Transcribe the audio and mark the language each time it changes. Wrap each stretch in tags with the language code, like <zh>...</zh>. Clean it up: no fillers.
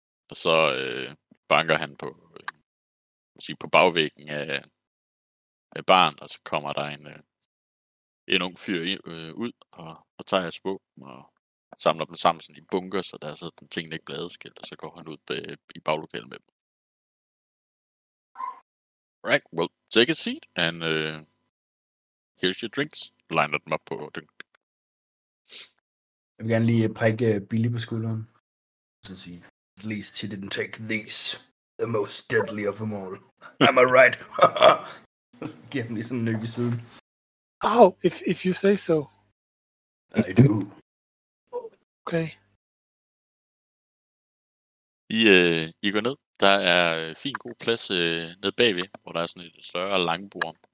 <da>Og så banker han på, måske på bagvæggen af barn, og så kommer der en ung fyr ud og tager hans våben og samler dem sammen sådan i bunker, så der er sådan ting ikke blevet adskilt, og så går han ud i baglokalet med dem.</da> <en>Right, well, take a seat, and here's your drinks.</en> <da>Liner dem op på den. Jeg vil gerne lige prikke Billy på skulderen. Så sige,</da> <en>at least he didn't take these. The most deadly of them all. Am I right?</en> <da>Giv ham lige sådan en nyk i siden.</da> <en>Oh, if you say so. I do. Okay.</en> <da>I går ned. Der er fin god plads ned bagved, hvor der er sådan et større langbord.</da>